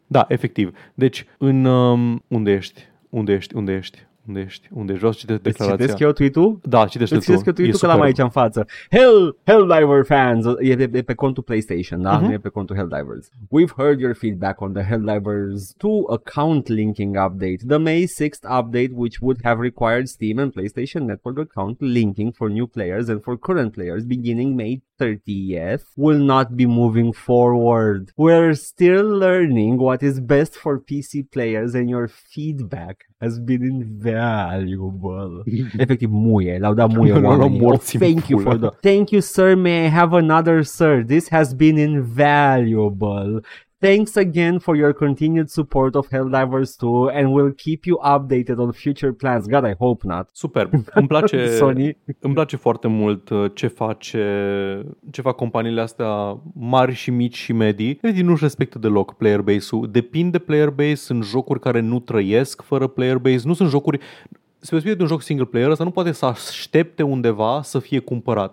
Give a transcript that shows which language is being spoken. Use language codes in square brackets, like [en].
[ro] Da, efectiv. Deci, unde ești? Unde ești? Vreau să citesc declarația. Îți citesc eu tweet-ul? Da, citește-l tu. Îți citesc eu tweet-ul că l-am aici în față. [en] Helldiver fans, [ro] e pe contul PlayStation, da? Uh-huh. Nu e pe contul Helldivers. [en] We've heard your feedback on the Helldivers 2 account linking update. The May 6th update, which would have required Steam and PlayStation Network account linking for new players and for current players beginning May 30th will not be moving forward. We're still learning what is best for PC players and your feedback has been invaluable. [ro] Efectiv, muie. L-au dat muie oamenii. [en] Thank you for the... Thank you, sir. May I have another, sir? This has been invaluable. Thanks again for your continued support of Helldivers 2 and we'll keep you updated on future plans. God, I hope not. [ro] Superb. Îmi place, Sony. Îmi place foarte mult ce face, ce fac companiile astea mari și mici și medii. Medii nu-și respectă deloc player base-ul. Depinde de player base, sunt jocuri care nu trăiesc fără player base. Nu sunt jocuri... Se vorbește de un joc single player, ăsta nu poate să aștepte undeva să fie cumpărat.